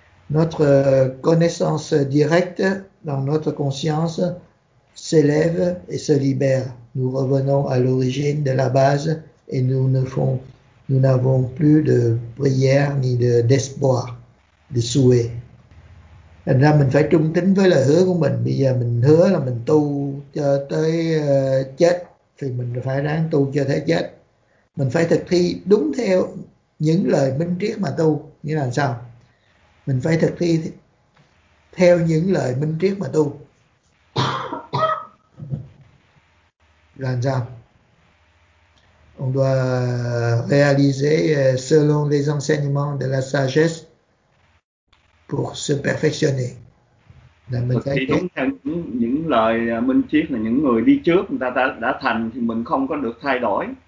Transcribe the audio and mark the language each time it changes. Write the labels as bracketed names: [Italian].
[French] Notre connaissance directe dans notre conscience s'élève et se libère. Nous revenons à l'origine de la base et nous n'avons plus de prière ni d'espoir, de souhait. [Vietnamese] Thành ra mình phải trung tín với lời hứa của mình. Bây giờ mình hứa là mình tu cho tới chết thì mình phải ráng tu cho tới chết. Mình phải thực thi đúng theo những lời minh triết mà tu. Nghĩa là sao? Mình phải thực thi theo những lời minh triết mà tu. Làm sao? [French] On doit réaliser selon les enseignements de la sagesse pour se perfectionner. [Vietnamese] Mình phải đúng theo những lời minh triết là những người đi trước người ta đã thành thì mình không có được thay đổi.